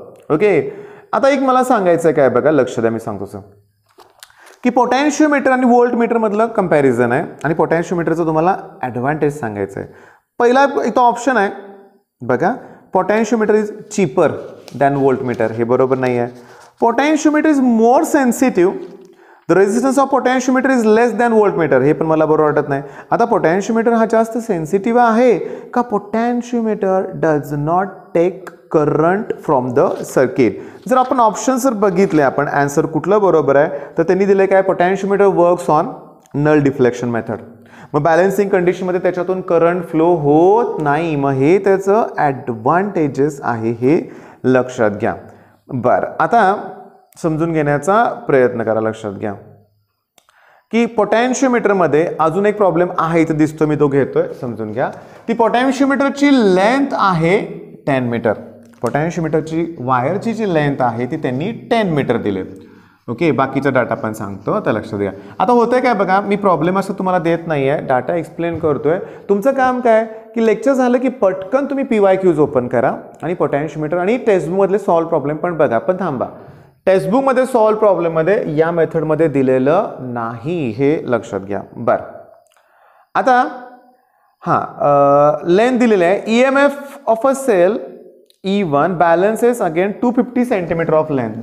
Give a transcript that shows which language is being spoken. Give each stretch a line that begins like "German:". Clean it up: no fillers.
Marathi: Okay, आता एक मला सांगायचं आहे काय बघा, लक्ष द्या, मी सांगतो सर, की पोटेन्शिओमीटर आणि व्होल्टमीटरमधलं कम्पॅरिझन आहे, आणि पोटेन्शिओमीटरचं तुम्हाला ॲडव्हान्टेज सांगायचं आहे. पहिला एक तो ऑप्शन आहे बघा,
English: potentiometer is cheaper than voltmeter,
Marathi: हे बरोबर नाही आहे.
English: Potentiometer is more sensitive, The resistance of potentiometer is less than voltmeter.
Marathi: हे पण मला बरोबर वाटत नाही. आता potentiometer हा जास्त sensitive आहे का?
English: Potentiometer does not take current from the circuit.
Marathi: जर आपण options जर बघितले आपण answer कुठलं बरोबर आहे तर त्यांनी दिले काय,
English: potentiometer works on null deflection method.
Marathi: मग balancing condition मध्ये त्याच्यातून current flow होत नाही, मग हे त्याचं advantages आहे हे लक्षात घ्या. बर आता समजून घेण्याचा प्रयत्न करा, लक्षात घ्या की पोटेन्शियोमीटर मध्ये अजून एक प्रॉब्लेम आहे इथे दिसतो, मी तो घेतोय. समजून घ्या ती पोटेन्शियोमीटरची लेंथ आहे 10 मीटर. पोटेन्शियोमीटरची वायरची जी लेंथ आहे ती त्यांनी 10 मीटर दिले. ओके, बाकीचा डाटा पण सांगतो आता, लक्ष द्या. आता होतंय काय बघा, मी प्रॉब्लेम असं तुम्हाला देत नाही आहे, डाटा एक्सप्लेन करतोय. तुमचं काम काय की लेक्चर झालं की पटकन तुम्ही पीवायक्यूज ओपन करा आणि पोटेन्शियोमीटर आणि टेस्टबुकमधले सॉल्व प्रॉब्लेम पण बघा. पण थांबा, टेक्स्टबुकमध्ये सॉल्व प्रॉब्लेममध्ये या मेथडमध्ये दिलेलं नाही हे लक्षात घ्या. बरं आता हां, लेंथ दिलेलं आहे.
English: E M F of a cell E one balances again 250 centimetre of length.